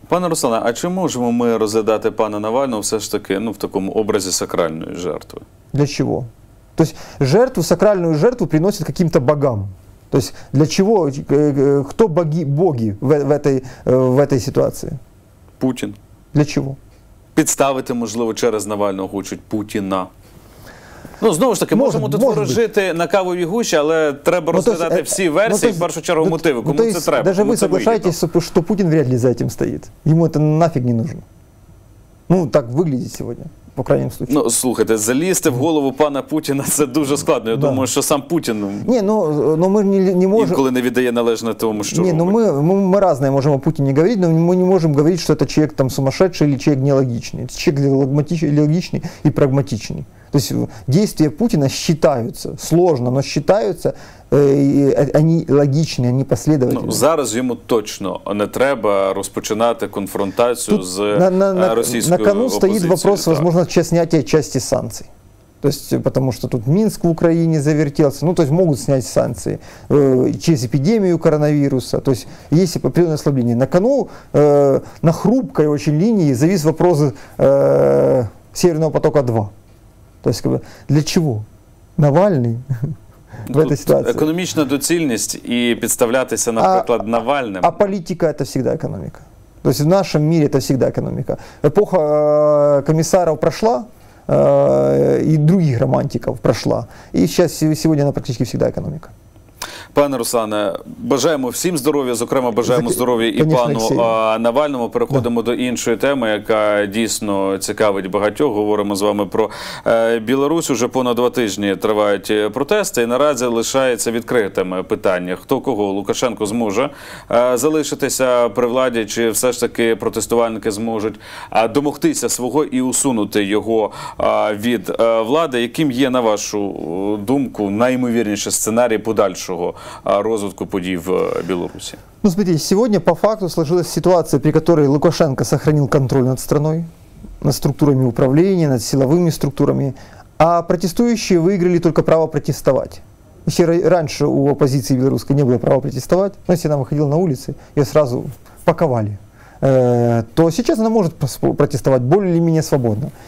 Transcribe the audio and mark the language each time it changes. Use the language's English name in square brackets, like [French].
[Ukrainian] Пане Руслане, а чи можем мы розглядати пана Навального все ж таки, в такому образе сакральной жертвы? [Russian] Для чего? То есть жертву, сакральную жертву приносят каким-то богам. То есть для чего, кто боги в этой ситуации? Путин. Для чего? [Ukrainian] Підставити, можливо, через Навального хочуть Путіна. Ну, знову ж таки, можемо тут ворожити на кавовій гущі, але треба розглядати всі версії, в першу чергу мотиви, кому це треба. Даже ви соглашаєтесь, що Путін вряд ли за цим стоїть. Йому це нафіг не нужно. Ну, так виглядить сьогодні, по крайньому случаю. Ну, слухайте, залізти в голову пана Путіна – це дуже складно. Я думаю, що сам Путін інколи не віддає належне тому, що робить. Ми різне можемо Путіні говорити, але ми не можемо говорити, що це чоловік там сумасшедший чи чоловік нелогічний. Це чоловік логічний і прагматичний. [Russian] То есть действия Путина считаются, сложно, но считаются, они логичны, они последовательны. [Ukrainian] Зараз ему точно не треба розпочинати конфронтацию с российской [Russian] на кону оппозицией. Стоит вопрос, возможно, снятия части санкций. То есть, потому что тут Минск в Украине завертелся, то есть могут снять санкции через эпидемию коронавируса, то есть есть определенное ослабление. На кону, на хрупкой очень линии завис вопрос Северного потока 2. То есть, для чего Навальный в этой ситуации? Экономичная доцільність и подставляться, например, Навальным. А политика – это всегда экономика. То есть, в нашем мире это всегда экономика. Эпоха комиссаров прошла, и других романтиков прошла. И сейчас, сегодня она практически всегда экономика. [Ukrainian] Пане Руслане, бажаємо всім здоров'я, зокрема, бажаємо здоров'я і пану Навальному. Переходимо до іншої теми, яка дійсно цікавить багатьох. Говоримо з вами про Білорусь. Уже понад 2 тижні тривають протести, і наразі лишається відкритими питання, хто кого. Лукашенко зможе залишитися при владі, чи все ж таки протестувальники зможуть домогтися свого і усунути його від влади. Яким є, на вашу думку, найімовірніший сценарій подальшого розвитку подій в Білорусі? [Russian] Ну, смотрите, сьогодні по факту сложилась ситуація, при которой Лукашенко сохранил контроль над страной, над структурами управления, над силовыми структурами, а протестующие выиграли только право протестовать. Еще раньше у оппозиции белорусской не было права протестовать, но если она выходила на улицы, ее сразу паковали, то сейчас она может протестовать более или менее свободно.